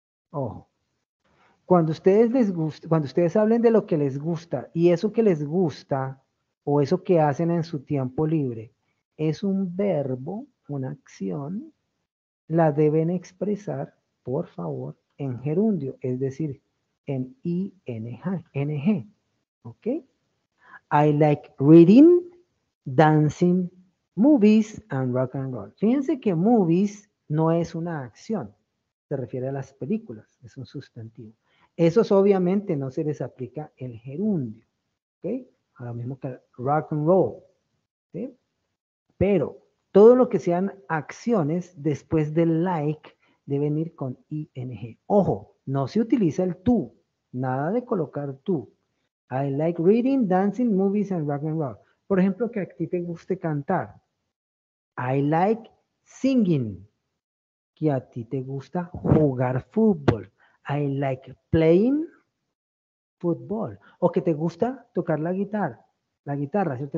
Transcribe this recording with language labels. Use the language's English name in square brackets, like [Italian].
[Spanish] Ojo. Cuando ustedes hablen de lo que les gusta y eso que les gusta o eso que hacen en su tiempo libre es un verbo, una acción, la deben expresar, por favor, en gerundio, es decir, en ing. ¿Ok? [English] I like reading, dancing, movies and rock and roll. [Spanish] Fíjense que movies no es una acción, se refiere a las películas, es un sustantivo. Eso obviamente no se les aplica el gerundio, ¿ok? A lo mismo que el rock and roll, ¿sí? Pero todo lo que sean acciones después del like deben ir con ing. Ojo, no se utiliza el tú, nada de colocar tú. [English] I like reading, dancing, movies and rock and roll. [Spanish] Por ejemplo, que a ti te guste cantar. [English] I like singing. [Spanish] Que a ti te gusta jugar fútbol. [English] I like playing football. [Spanish] O que te gusta tocar la guitarra, ¿cierto?